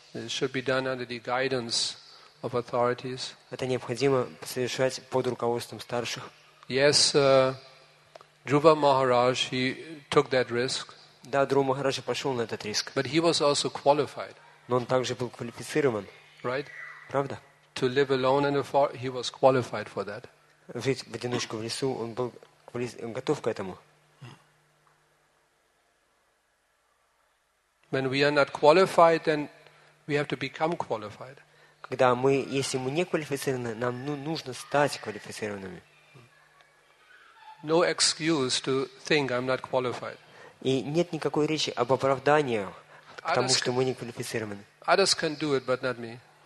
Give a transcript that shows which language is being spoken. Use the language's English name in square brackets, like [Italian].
[Russian] Это необходимо совершать под руководством старших. [English] Yes, Dhruva Maharaj, he took that risk. [Russian] Да, Дхрува Махарадж пошел на этот риск. [English] But he was also qualified. [Russian] Но он также был квалифицирован. [English] Right? [Russian] Правда? [English] To live alone in the forest, he was qualified for that. [Russian] Жить в одиночку в лесу, он был готов к этому. [English] When we are not qualified, then we have to become qualified. [Russian] Когда мы, если мы не квалифицированы, нам нужно стать квалифицированными. [English] No excuse to think I'm not qualified. [Russian] И нет никакой речи об оправдании к тому, что мы не квалифицированы. [English] Others can do it, but not me.